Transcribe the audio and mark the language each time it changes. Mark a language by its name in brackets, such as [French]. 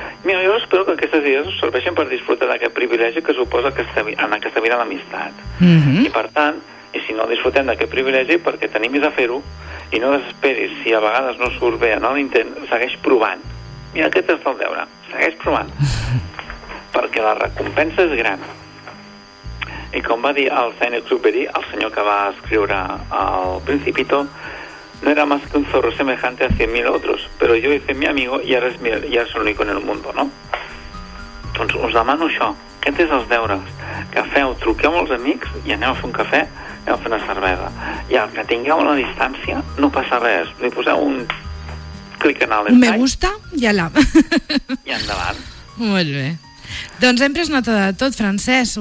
[Catalan] Mira, jo espero que aquestes idees us serveixin per disfrutar d'aquest privilegi que suposa aquesta, en aquesta vida l'amistat. Mm-hmm. I per tant, i si no disfrutem d'aquest privilegi perquè t'animis a fer-ho i no desesperis, si a vegades no surt bé en l'intent, segueix provant. Mira, aquest és el deure, segueix provant. Perquè la recompensa és gran. I com va dir el Saint-Exupéry, el senyor que va escriure el Principito, [Spanish] no era más que un zorro semejante a 100.000 otros, pero yo hice mi amigo y ahora es mi, y ahora es el único en el mundo, ¿no? [Catalan] Doncs us demano això. Aquest és els deures. Que feu, truqueu als amics i aneu a fer un cafè, aneu a fer una cervesa. I el que tingueu a la distància, no passa res. Li poseu un clic en l'espai. [Spanish] Me gusta y ala. [Catalan] I endavant. Molt bé. Doncs hem pres nota de tot, Francesc.